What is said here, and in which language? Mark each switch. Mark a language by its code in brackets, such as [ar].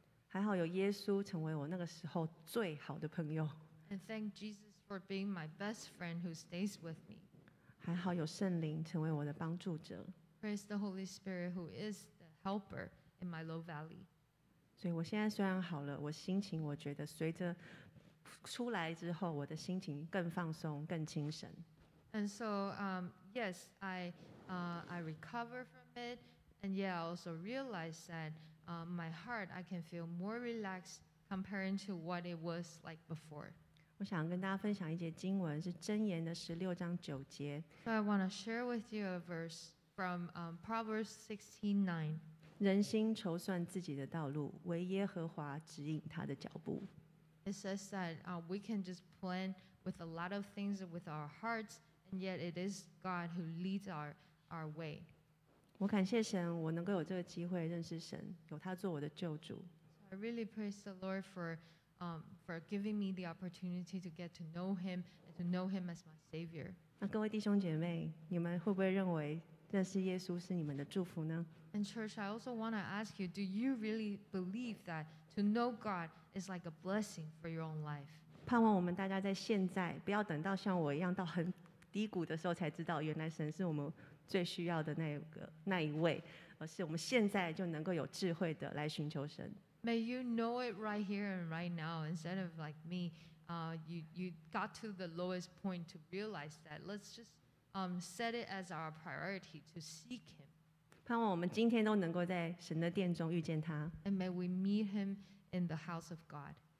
[zh] 还好有耶稣成为我那个时候最好的朋友。 [en] And thank Jesus for being my best friend who stays with me. [zh] 还好有圣灵成为我的帮助者。 [en] Praise the Holy Spirit who is the helper in my low valley. [zh] 所以我现在虽然好了，我心情我觉得随着出来之后，我的心情更放松，更精神。 [en] And so, yes, I recover from it, and yeah, I also realize that my heart, I can feel more relaxed compared to what it was like before. [zh] 我想跟大家分享一节经文，是箴言的十六章九节。 [en] So I want to share with you a verse. From Proverbs 16:9, [zh] 人心筹算自己的道路，唯耶和华指引他的脚步。 [en] It says that we can just plan with a lot of things with our hearts, and yet it is God who leads our way. [zh] 我感谢神，我能够有这个机会认识神，有他做我的救主。 [en] So、I really praise the Lord for giving me the opportunity to get to know Him and to know Him as my Savior. [zh] 那各位弟兄姐妹，你们会不会认为？认识耶稣是你们的祝福呢。 [en] And church, I also want to ask you, do you really believe that to know God is like a blessing for your own life? [zh] 盼望我们大家在现在，不要等到像我一样到很低谷的时候才知道，原来神是我们最需要的那一位，而是我们现在就能够有智慧的来寻求神。 [en] May you know it right here and right now, instead of like me, you got to the lowest point to realize that. Let's just. Set it as our priority to seek Him. [zh] 盼望我们今天都能够在神的殿中遇见他。 [en] And may we meet Him in the house of God.